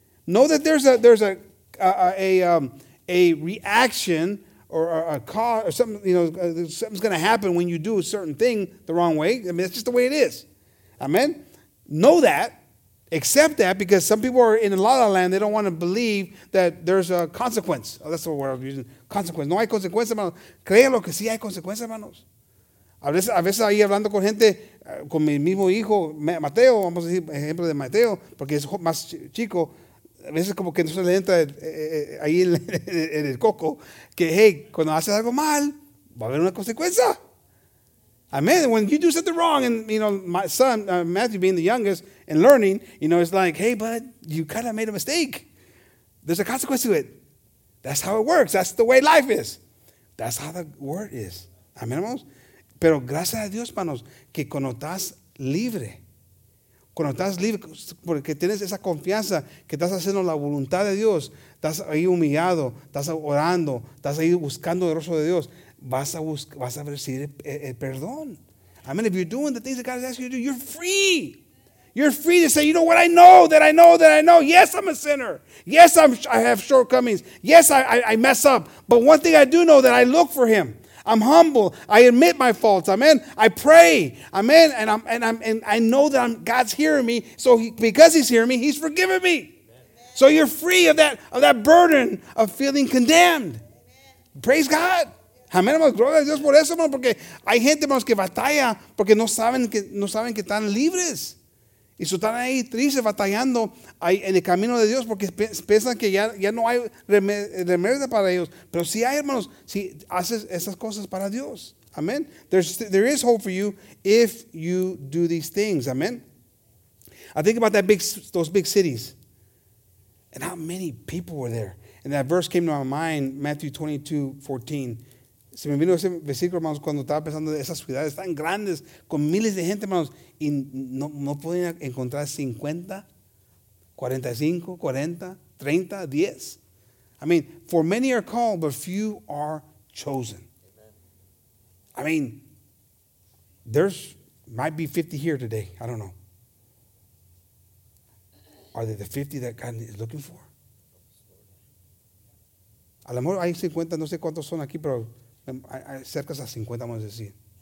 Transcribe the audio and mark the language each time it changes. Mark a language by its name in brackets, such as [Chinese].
[English] Know that there's a reaction or a cause or something, you know, something's going to happen when you do a certain thing the wrong way. I mean, it's just the way it is. Amen. Know that. Accept that, because some people are in a la-la land. They don't want to believe that there's a consequence. Oh, that's the word I was using. Consequence. [Spanish] No hay consecuencia, hermanos. Créalo que sí hay consecuencia, hermanos. A veces ahí hablando con gente, con mi mismo hijo, Mateo, vamos a decir ejemplo de Mateo, porque es más chico, a veces como que no se le entra ahí en el coco, que hey, cuando haces algo mal, va a haber una consecuencia. [English] Amen. When you do something wrong, and you know, my son, Matthew being the youngest and learning, you know, it's like, hey, bud, you kind of made a mistake. There's a consequence to it. That's how it works. That's the way life is. That's how the word is. Amen, hermanos. [Spanish] Pero gracias a Dios, hermanos, que cuando estás libre, cuando estás libre, porque tienes esa confianza que estás haciendo la voluntad de Dios, estás ahí humillado, estás orando, estás ahí buscando el rostro de Dios, vas a recibir el perdón. [English] I mean, if you're doing the things that God has asked you to do, you're free. You're free to say, you know what, I know. Yes, I'm a sinner. Yes, I have shortcomings. Yes, I mess up. But one thing I do know, that I look for him. I'm humble. I admit my faults. Amen. I pray. Amen. And I know that God's hearing me. So because he's hearing me, he's forgiven me. Amen. So you're free of that burden of feeling condemned. Amen. Praise God. [Spanish] Amén, hermanos, gloria a Dios por eso, hermanos, porque hay gente, hermanos, que batalla porque no saben que están libres. Y están ahí tristes, batallando ahí en el camino de Dios porque piensan que ya no hay remedio para ellos. Pero sí hay, hermanos, si haces esas cosas para Dios. Amén. [English] There is hope for you if you do these things. Amén. I think about those big cities and how many people were there. And that verse came to my mind, Matthew 22:14. [Spanish] Se me vino ese versículo, hermanos, cuando estaba pensando de esas ciudades tan grandes, con miles de gente, hermanos, y no podían encontrar 50, 45, 40, 30, 10. [English] I mean, for many are called, but few are chosen. Amen. I mean, there's might be 50 here today. I don't know. Are they the 50 that God is looking for? [Spanish] A lo mejor hay 50, no sé cuántos son aquí, pero cerca a 50, vamos a decir.